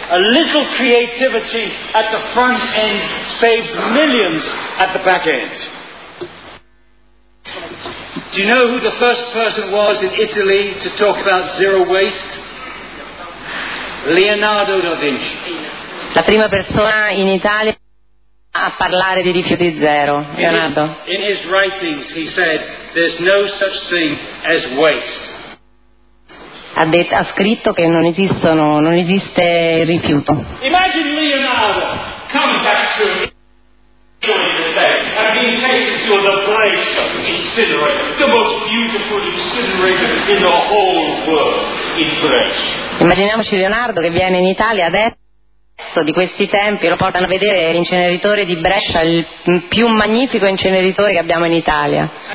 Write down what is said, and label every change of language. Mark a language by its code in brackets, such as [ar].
[en] A little creativity at the front end saves millions at the back end. Do you know who the first person was in Italy to talk about zero waste? Leonardo da Vinci. [it] La prima persona in Italia a parlare di rifiuti zero, Leonardo. [en] In his writings he said there's no such thing as waste. [it] Ha scritto che non esiste il rifiuto. [en] Imagine Leonardo coming back to me. And being taken to the place incinerator, the most beautiful incinerator in the whole world, in Brescia. [it] Immaginiamoci Leonardo che viene in Italia adesso adesso, di questi tempi, lo portano a vedere l'inceneritore di Brescia, il più magnifico inceneritore che abbiamo in Italia.